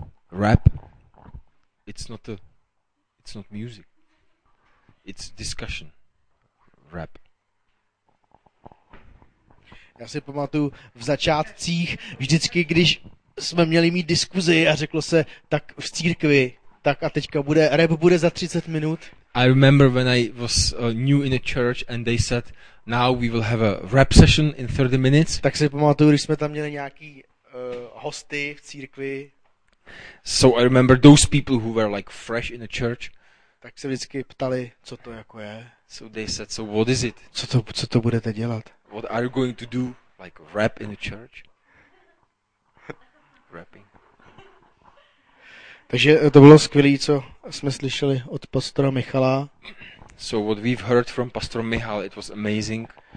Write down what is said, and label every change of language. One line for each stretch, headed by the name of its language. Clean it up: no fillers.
English: Rap, it's not music, it's discussion, rap.
Czech: Já si pamatuju v začátcích, vždycky, když jsme měli mít diskuzi a řeklo se, tak v církvi, tak a teďka bude, rap bude za 30 minut.
English: I remember when I was new in a church and they said, now we will have a rap session in 30 minutes.
Czech: Tak si pamatuju, když jsme tam měli nějaký hosty v církvi.
English: So I remember those people who were like fresh in the church.
Czech: Tak se vždycky ptali, co to jako je.
English: So they said, so what is it?
Czech: Co to budete dělat?
English: What are you going to do? Like rap in the church? Rapping.
Czech: Takže to bylo skvělé, co jsme slyšeli od pastora Michala.
English: So what we've heard from Pastor Michal, it was amazing.